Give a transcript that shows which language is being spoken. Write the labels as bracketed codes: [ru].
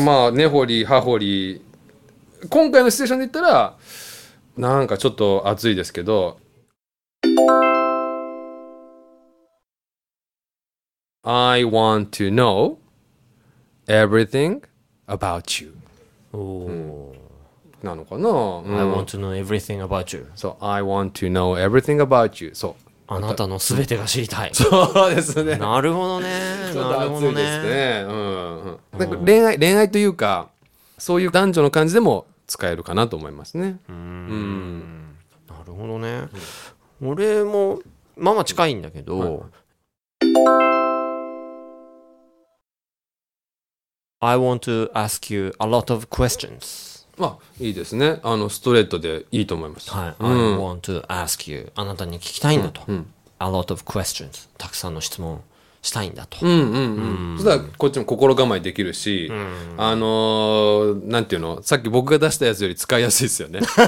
[ja] まあねほりはほり、今回のシチュエーションで言ったらなんかちょっと熱いですけど、 [en] I want to know everything about you。 [ja] おー、なのかな、うん、 [en] I want to know everything about you。 So I want to know everything about you。 So、 [ja] あなたのすべてが知りたい。そうですね。なるほどね。ちょっと熱いですね。なんか恋愛、恋愛というか、そういう男女の感じでも使えるかなと思いますね。なるほどね。俺も、まあまあ近いんだけど、はい、 [en] I want to ask you a lot of questions。 [ja] まあ、いいですね。あのストレートでいいと思います。はい、うん、 [en] I want to ask you。 [ja] あなたに聞きたいんだと、うんうん、 [en] a lot of questions、 [ja] たくさんの質問したいんだと、うんうんうんうん、そしたらこっちも心構えできるし、うん、なんていうの、さっき僕が出したやつより使いやすいですよね